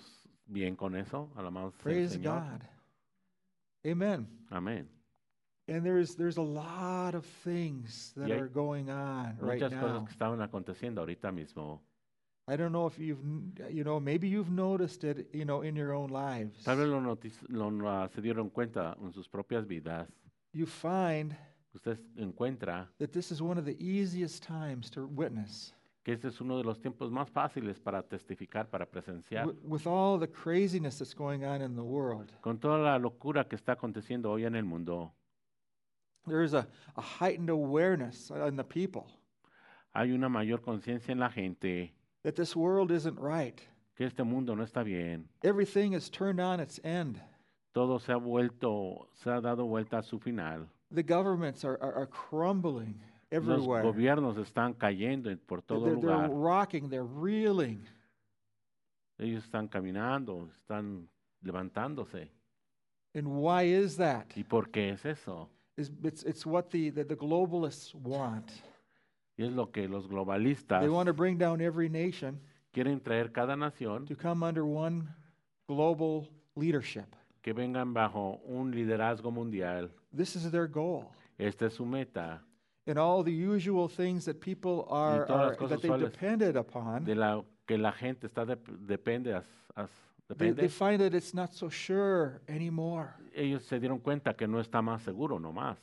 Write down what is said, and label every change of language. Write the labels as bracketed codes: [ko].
[es] Estamos bien con eso. Alabado sea [en] Praise [es] el Señor. [en] God. Amen. Amen. And there's a lot of things that are going on right now. [es] Muchas cosas que estaban aconteciendo ahorita mismo. [en] I don't know if maybe you've noticed it, in your own lives. [es] Tal vez se dieron cuenta en sus propias vidas. [en] You find [es] usted encuentra [en] that this is one of the easiest times to witness. [es] Que este es uno de los tiempos más fáciles para testificar, para presenciar. [en] With all the craziness that's going on in the world. [es] Con toda la locura que está aconteciendo hoy en el mundo. [en] There is a heightened awareness in the people. [es] Hay una mayor conciencia en la gente. [en] That this world isn't right. [es] Que este mundo no está bien. [en] Everything is turned on its end. [es] Todo se ha dado vuelta a su final. [en] The governments are crumbling everywhere. [es] Los gobiernos están cayendo por todo lugar. [en] They're rocking, they're reeling. [es] Ellos están caminando, están levantándose. [en] And why is that? [es] ¿Y por qué es eso? [en] It's what the globalists want. [es] Y es lo que los globalistas [en] they want to bring down every nation [es] quieren traer cada nación [en] to come under one global leadership. [es] Que vengan bajo un liderazgo mundial. [en] This is their goal. [es] Esta es su meta. [en] And all the usual things that people are that they depended upon. [es] De la que la gente está depende [en] They find that it's not so sure anymore. [es] Ellos se dieron cuenta que no está más seguro, no más.